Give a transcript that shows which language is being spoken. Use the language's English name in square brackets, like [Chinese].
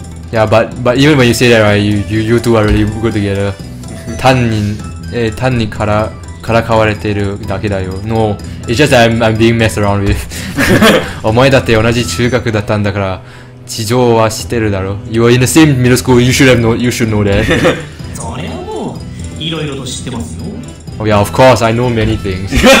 [English] Yeah, but even when you say that, right, you two are really good together. [Japanese] 単にからかわれてるだけだよ。 [English] No, it's just that I'm being messed around with. [Japanese] お前だって同じ中学だったんだから、事情は知ってるだろ。 [English] You are in the same middle school. You should know that. [Japanese] それはもういろいろと知ってますよ。 [English] Oh yeah, of course, I know many things.